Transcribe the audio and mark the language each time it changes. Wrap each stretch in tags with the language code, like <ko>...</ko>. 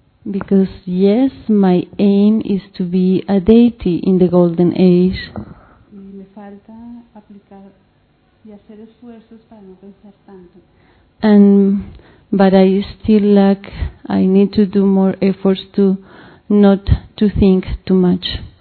<en>Because yes, my aim is to be a deity in the golden age.</en> <es>Y me falta aplicar y hacer esfuerzos para no pensar tanto.</es> <en>But I still lack. I need to do more efforts to not to think too much.</en>